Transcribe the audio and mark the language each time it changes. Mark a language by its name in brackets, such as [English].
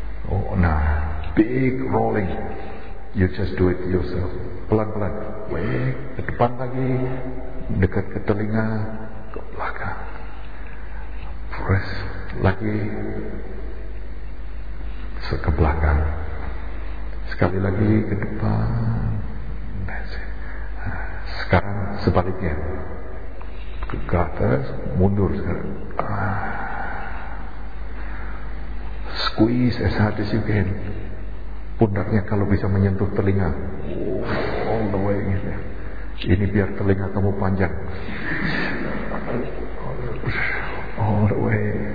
[Indonesian] Oh, nah, [English] big rolling, you just do it yourself, [Indonesian] pelan-pelan, wait, ke depan lagi, dekat ke telinga, ke belakang, press lagi, ke belakang, sekali lagi ke depan. Sekarang sebaliknya, ke atas, mundur sekarang. [English] Squeeze as hard as you can. [Indonesian] Pundaknya kalau bisa menyentuh telinga, [English] all the way. [Indonesian] Ini biar telinga kamu panjang. [English] All the way.